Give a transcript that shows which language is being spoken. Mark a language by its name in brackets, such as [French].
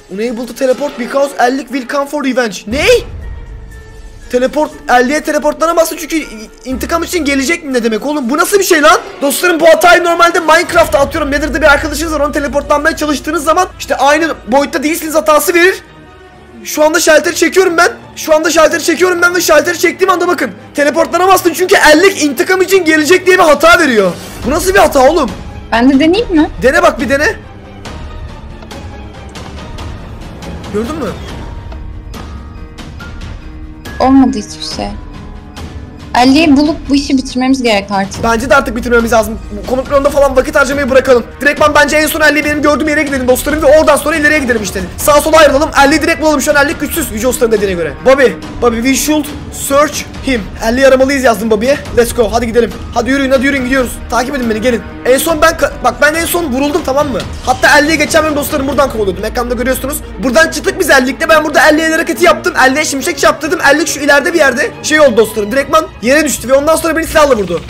[English] Unable to teleport because erlik will come for revenge. [Turkish] Ne? Teleport, 50'ye teleportlanamazsın çünkü intikam için gelecek mi, ne demek oğlum? Bu nasıl bir şey lan? Dostlarım bu hatayı normalde Minecraft'a atıyorum. Nether'da bir arkadaşınız var, onu teleportlanmaya çalıştığınız zaman işte aynı boyutta değilsiniz hatası verir. Şu anda şalteri çekiyorum ben. Ve şalteri çektiğim anda bakın. Teleportlanamazsın çünkü 50 intikam için gelecek diye bir hata veriyor. Bu nasıl bir hata oğlum? Ben de deneyeyim mi? Dene bak, bir dene. Gördün mü? Olmadı hiçbir şey. Ali'yi bulup bu işi bitirmemiz gerek artık. Bence de artık bitirmemiz lazım. Komut planında falan vakit harcamayı bırakalım. Direktman bence en son Ali'yi benim gördüğüm yere gidelim dostlarım ve oradan sonra ileriye gidelim işte. Sağa sola ayrılalım. Ali'yi direkt bulalım. Şu an Ali güçsüz. Yüce Ustan'ın dediğine göre. [English] Bobby, we should search him. [Turkish] Ali'yi aramalıyız yazdım Bobby'ye. [English] Let's go. [Turkish] Hadi gidelim. Hadi yürüyün gidiyoruz. Takip edin beni, gelin. En son ben bak, ben en son vuruldum, tamam mı? Hatta Ali'yi geçen benim dostlarım buradan kovalıyordum. Ekranda görüyorsunuz. Buradan çıktık biz Ali'yle. Ben burada Ali'ye hareketi yaptım. Ali'ye şimşek çarptırdım. Ali şu ileride bir yerde şey oldu dostlarım. Direktman yere düştü ve ondan sonra beni silahla vurdu.